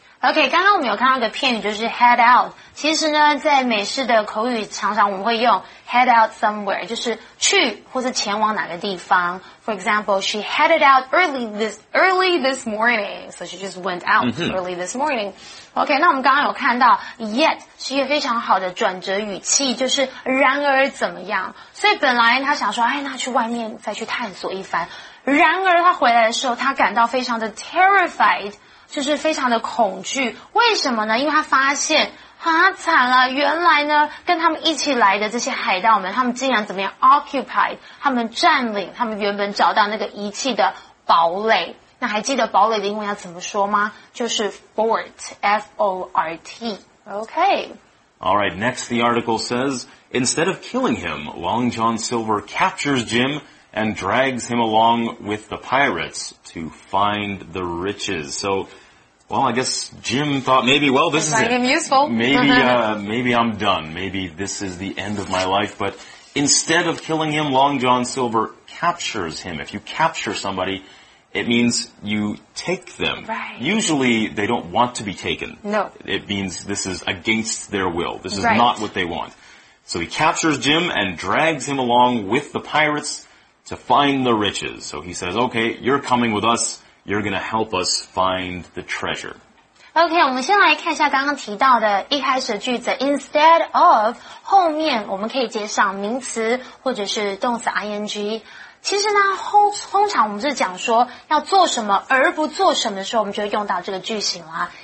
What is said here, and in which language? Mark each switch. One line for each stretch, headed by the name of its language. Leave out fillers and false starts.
Chinese: OK, 刚刚我们有看到一个片语就是
English: head out。
Chinese: 其实呢在美式的口语常常我们会用
English: head out somewhere，
Chinese: 就是去或是前往哪个地方。
English: For example, she headed out early this morning. So she just went out early this morning.
Chinese: OK, 那我们刚刚有看到 yet 是一个非常好的转折语气，就是然而怎么样。所以本来他想说，哎，那去外面再去探索一番，然而他回来的时候他感到非常的 terrified，就是非常的恐惧。为什么呢？因为他发现啊，惨了，原来呢跟他们一起来的这些海盗们，他们竟然怎么样 occupied， 他们占领他们原本找到那个遗弃的堡垒。那还记得堡垒的英文要怎么说吗？就是 fort， F-O-R-T。OK，
English: alright, next the article says, instead of killing him, Long John Silver captures Jim and drags him along with the pirates to find the riches. So, well, I guess Jim thought maybe, well, this is it. Find him useful. Maybe I'm done. Maybe this is the end of my life. But instead of killing him, Long John Silver captures him. If you capture somebody, it means you take them. Right. Usually, they don't want to be taken. No. It means this is against their will. This is not what they want. So he captures Jim and drags him along with the pirates to find the riches. So he says, okay, you're coming with us. You're going to help us find the treasure.
Chinese: Okay, 我们先来看一下刚刚提到的一开始的句子。
English: Instead of,
Chinese: 后面我们可以接上名词或者是动词 ing。其实呢，通常我们是讲说要做什么而不做什么的时候，我们就会用到这个句型啦。